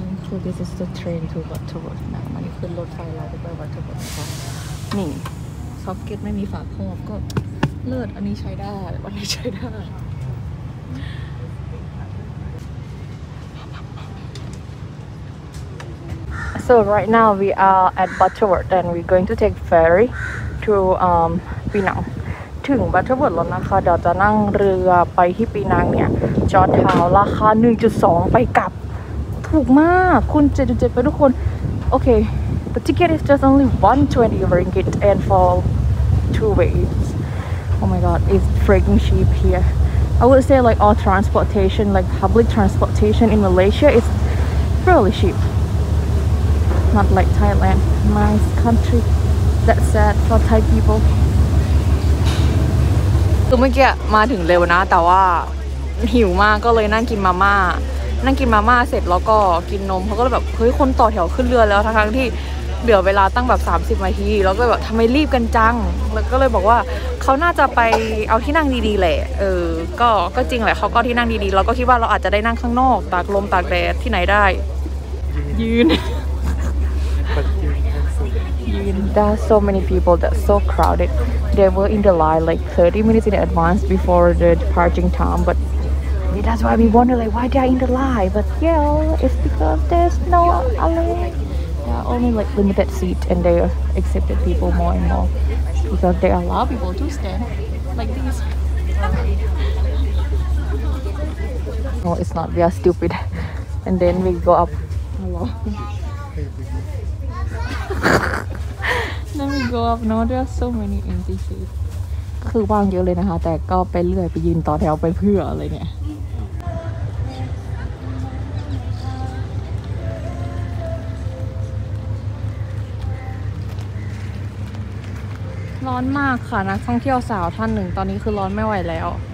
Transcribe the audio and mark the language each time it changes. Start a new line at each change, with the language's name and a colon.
English: So this is the train to Butterworth now.
Thai: มันขึ้นรถไฟเราไปไป Butterworth ค่ะนี่ซอกเก็ตไม่มีฝาครอบก็เลิศอันนี้ใช้ได้อันนี้ใช้ได้
English: So right now we are at Butterworth and we're going to take ferry to Penang.
Thai: ถึง Butterworth แล้วนะคะเดี๋ยวจะนั่งเรือไปที่ Penang เนี่ยจอดเท้าราคา 1.2 ไปกลับถูกมากคุณ 7.7 ไปทุกคน
English: Okay, the ticket is just only 120 ringgit and for 2 ways. Oh my god, it's freaking cheap here. I would say like all transportation, like public transportation in Malaysia is really cheap. Not like Thailand, nice country. That's sad for Thai people.
Thai: คือเมื่อกี้มาถึงเร็วนะแต่ว่าหิวมากก็เลยนั่งกินมาม่านั่งกินมาม่าเสร็จแล้วก็กินนมเขาก็เลยแบบเฮ้ยคนต่อแถวขึ้นเรือแล้วทั้งที่เหลือเวลาตั้งแบบ30นาทีแล้วก็แบบทำไมรีบกันจังแล้วก็เลยบอกว่าเขาน่าจะไปเอาที่นั่งดีๆแหละก็จริงแหละเขาก็ที่นั่งดีๆเราก็คิดว่าเราอาจจะได้นั่งข้างนอกตากลมตากแดดที่ไหนได้ยืน
English: There are so many people that are so crowded. They were in the line like 30 minutes in advance before the departing time. But that's why we wonder like why they are in the line. But yeah, it's because there's no alley. There are only like limited seat and they accepted people more and more. Because they allow people to stand like this. No, it's not. We are stupid. And then we go up. Hello. Let me go up now. There are so many empty seats.
Thai: คือว่างเยอะเลยนะคะแต่ก็ไปเรื่อยไปยืนต่อแถวไปเพื่ออะไรเนี่ย ร้อนมากค่ะนักท่องเที่ยวสาวท่านหนึ่งตอนนี้คือร้อนไม่ไหวแล้ว